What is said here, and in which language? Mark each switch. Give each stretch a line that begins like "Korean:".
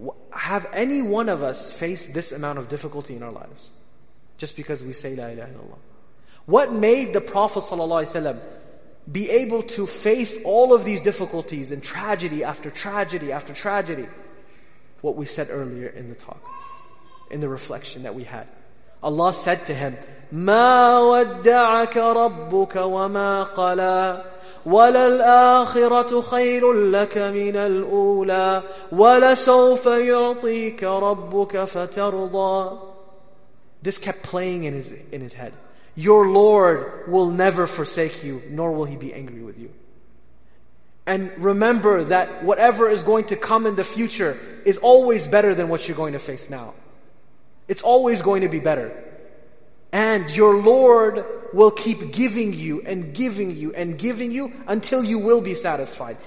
English: Have any one of us faced this amount of difficulty in our lives just because we say La ilaha illallah? What made the Prophet ﷺ be able to face all of these difficulties and tragedy after tragedy after tragedy? What we said earlier in the talk, in the reflection that we had. Allah said to him,
Arabic: مَا وَدَّعَكَ رَبُّكَ وَمَا قَلَى وَلَلْآخِرَةُ خَيْرٌ لَكَ مِنَ الْأُولَى وَلَسَوْفَ يُعْطِيكَ رَبُّكَ فَتَرْضَى.
English: This kept playing in his head. Your Lord will never forsake you, nor will he be angry with you. And remember that whatever is going to come in the future is always better than what you're going to face now. It's always going to be better. And your Lord will keep giving you and giving you and giving you until you will be satisfied.